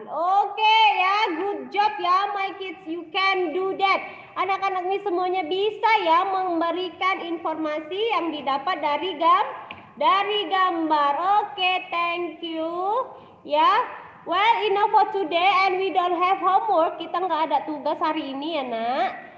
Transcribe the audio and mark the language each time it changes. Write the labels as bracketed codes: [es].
[en] Oke ya, good job ya my kids, you can do that. [id] Anak-anak ini semuanya bisa ya memberikan informasi yang didapat dari gambar. [en] Oke, thank you. Ya. Well, enough for today and we don't have homework. [id] Kita enggak ada tugas hari ini ya, Nak.